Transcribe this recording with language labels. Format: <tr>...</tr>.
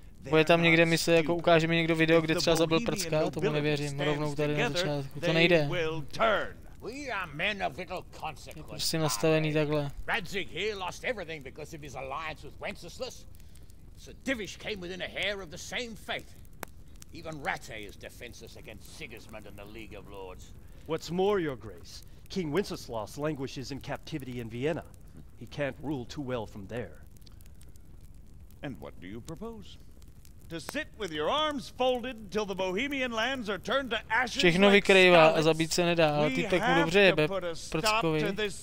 <cs>Bude tam někde mise, jako ukáže mi někdo video, kde třeba zabil prcka, tomu nevěřím, rovnou tady na začátku, to nejde.</cs> <en>We are men of little consequence.</en> <cs>Jsi nastavený takhle.</cs> <en>Radzig here lost everything because of his alliance with Wenceslaus. Sir Divish came within a hair of the same fate. Even Ratte is defenseless against Sigismund and the League of Lords. What's more, your grace, King Wenceslaus languishes in captivity in Vienna. He can't rule too well from there. And what do you propose? To sit with your arms folded till the Bohemian lands are turned to ashes.</en> <cs>Všechno vykrývá a zabít se nedá, ale ty tak mu dobře jebe, prckovi.</cs>